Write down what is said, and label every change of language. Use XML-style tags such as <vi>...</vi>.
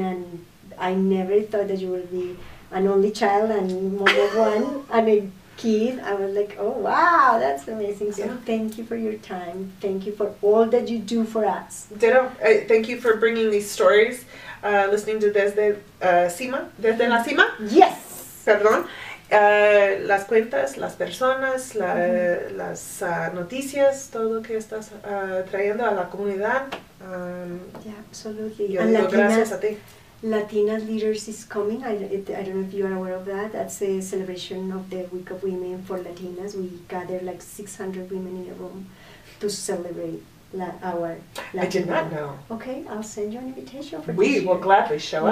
<en>And I never thought that you would be an only child and more than one and a kid. I was like, oh, wow, that's amazing. So thank you for your time. Thank you for all that you do for us. Ditto. Thank you for bringing these stories. Listening to Desde Cima. Desde la Cima? Yes.</en> <es>Perdón. Las cuentas, las personas, las noticias, todo lo que estás trayendo a la comunidad.</es> <en>Absolutely.</en> <es>Yo digo Latinas, gracias a ti.</es> <en>Latinas Leaders is coming. I don't know if you are aware of that. That's a celebration of the Week of Women for Latinas. We gather like 600 women in a room to celebrate our Latinas. I did not know. Okay, I'll send you an invitation for this year. We will gladly show up.</en>